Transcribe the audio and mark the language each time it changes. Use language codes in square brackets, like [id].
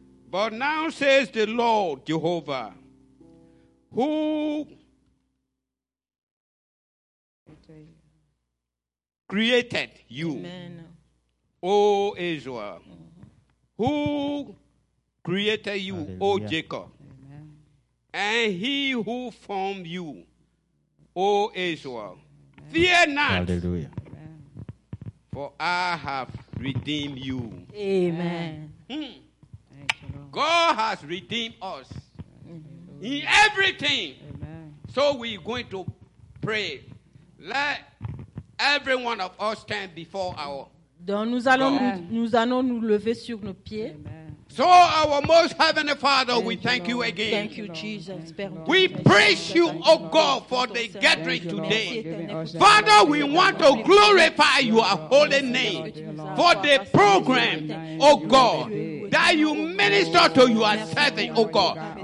[en] But now says the Lord Jehovah, who created you, O Israel, who created you, O Jacob, and he who formed you, O Israel, fear not, for I have redeemed you. Amen. God has redeemed us in everything. So we're going to pray. Let every one of us stand before our [fr] Donc nous allons nous allons nous lever sur nos pieds. [en] Amen. So our most heavenly Father, thank we thank you again. Thank you, Jesus. We praise you, O God, for the gathering today. Father, we want to glorify your holy name for the program, O God, that you minister to your servant, O God.